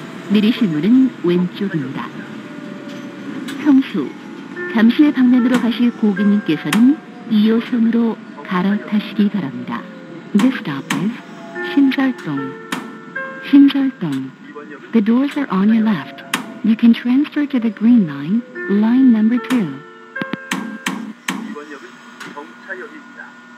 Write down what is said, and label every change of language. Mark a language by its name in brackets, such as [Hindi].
[Korean] 내리실 문은 왼쪽입니다. 성수, 잠실 방면으로 가실 고객님께서는 2호선으로 갈아타시기 바랍니다. [English] This stop is 신설동. [Korean] 신설동. [English] The doors are on your left. You can transfer to the green line, line number 2. [Korean] 이번 역은 정차역입니다.